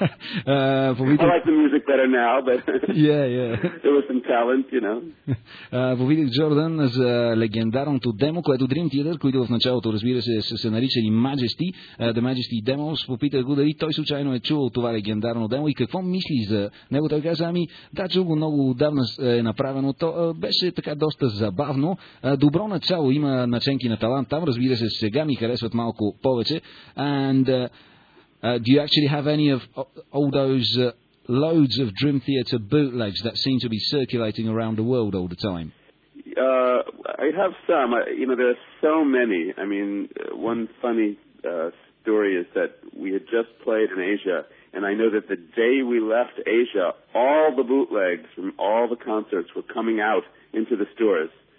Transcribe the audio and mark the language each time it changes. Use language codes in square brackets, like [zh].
[en] I like the music better now, but yeah. There was some talent, you know. [bg] Повидих Джордан за легендарното демо, което Dream Theater, които в началото, разбира се, са се наричали Majesty, The Majesty Demos, попитах го дали той случайно е чувал това легендарно демо и какво мисли за него. Той каза, ами да, чул го много отдавна е направено. То беше така доста забавно. Добро начало, има наченки на талант там. Разбира се, сега ми харесват малко повече. [en] And do you actually have any of all those loads of Dream Theater bootlegs that seem to be circulating around the world all the time? I have some. There are so many. I mean, one funny story is that we had just played in Asia, and I know that the day we left Asia, all the bootlegs from all the concerts were coming out into the stores.